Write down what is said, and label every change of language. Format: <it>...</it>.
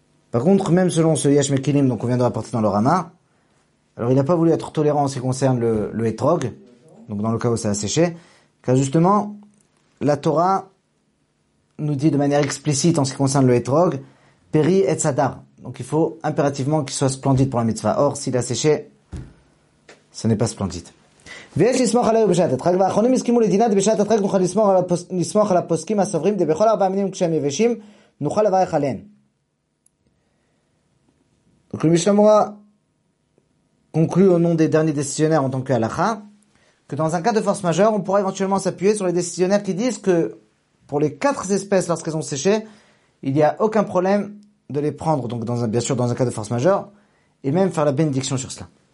<fr>Par contre, même selon ce Yesh Mekilim, donc on vient de rapporter dans le Rama, alors il n'a pas voulu être tolérant en ce qui concerne le etrog, donc dans le cas où ça a séché, car justement, la Torah nous dit de manière explicite en ce qui concerne le etrog,</fr> <he>peri et sadar.</he> <fr>Donc il faut impérativement qu'il soit splendide pour la mitzvah. Or, s'il a séché, ce n'est pas splendide.</fr> <he>ויש לסמוך עליו בשעת הדחק, והאחרונים הסכימו לדינת בשעת הדחק, נוכל לסמוך על הפוסקים הסוברים, דבכל ארבע מינים כשהם יבשים, נוכל לברך עליהן.</he> <fr>Donc le Mishnah Berurah conclut au nom des derniers décisionnaires en tant que halakha, que dans un cas de force majeure, on pourra éventuellement s'appuyer sur les décisionnaires qui disent que pour les quatre espèces lorsqu'elles ont séché, il n'y a aucun problème de les prendre, donc dans un, bien sûr dans un cas de force majeure, et même faire la bénédiction sur cela.</fr>